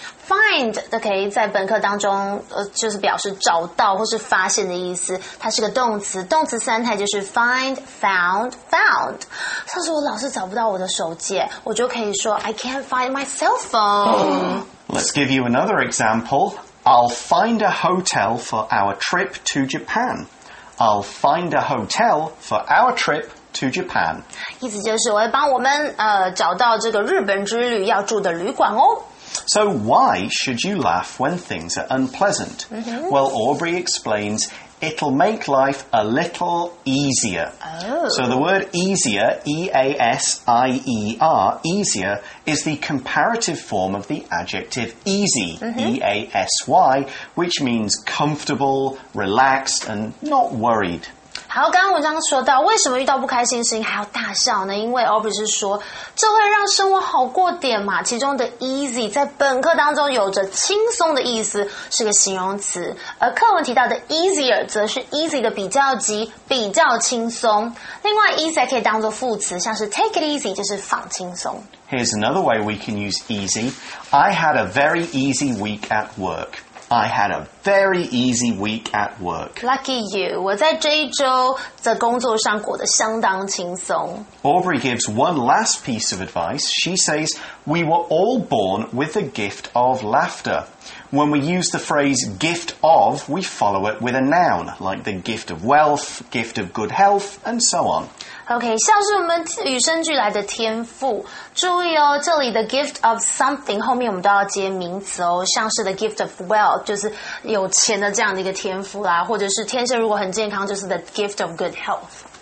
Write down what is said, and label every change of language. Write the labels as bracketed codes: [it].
[zh] Find, okay, 在本课当中就是表示找到或是发现的意思，它是个动词，动词三态就是 find, found, found. 像是我老是找不到我的手机，我就可以说 [en] I can't find my cell phone. Let's give you another example. I'll find a hotel for our trip to Japan. I'll find a hotel for our trip to Japan. [zh] 意思就是我会帮我们找到这个日本之旅要住的旅馆哦。 [en] So why should you laugh when things are unpleasant? Well, Aubrey explains, it'll make life a little easier. So the word easier, E-A-S-I-E-R, easier, is the comparative form of the adjective easy, E-A-S-Y, which means comfortable, relaxed, and not worried. [zh] 好，刚刚文章说到，为什么遇到不开心的事情还要大笑呢？因为 Aubrey 是说，这会让生活好过点嘛。其中的 easy 在本课当中有着轻松的意思，是个形容词。而课文提到的 easier 则是 easy 的比较级，比较轻松。另外 easy 还可以当作副词，像是 [en] take it easy [zh] 就是放轻松。 [en] Here's another way we can use easy. I had a very easy week at work. I had a very easy week at work. Lucky you. [zh] 我在这一周的工作上过得相当轻松。 [en] Aubrey gives one last piece of advice. She says, we were all born with the gift of laughter. When we use the phrase gift of, we follow it with a noun, like the gift of wealth, gift of good health, and so on. [zh] Okay, 像是我们与生俱来的天赋。注意哦，这里的 [en] gift of something [zh] 后面我们都要接名词哦，像是 [en] the gift of wealth [zh] 就是有钱的这样的一个天赋啦，或者是天生如果很健康，就是 [en] the gift of good health.